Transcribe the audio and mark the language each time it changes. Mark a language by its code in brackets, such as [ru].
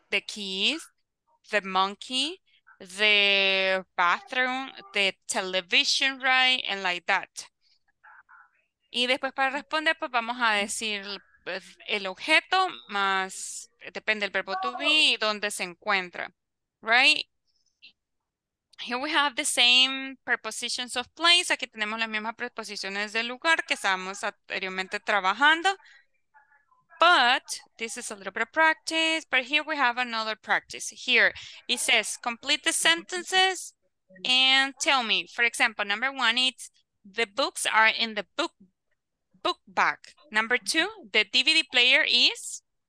[en] The keys, the monkey, the bathroom, the television, right? And like that. [es] Y después para responder, pues vamos a decir el objeto más, depende del verbo to be y dónde se encuentra, [en] right? Here we have the same prepositions of place. [es] Aquí tenemos las mismas preposiciones del lugar que estábamos anteriormente trabajando. [en] But this is a little bit of practice. But here we have another practice. Here it says, complete the sentences and tell me. For example, number one, it's the books are in the book bag. Number two, the DVD player is?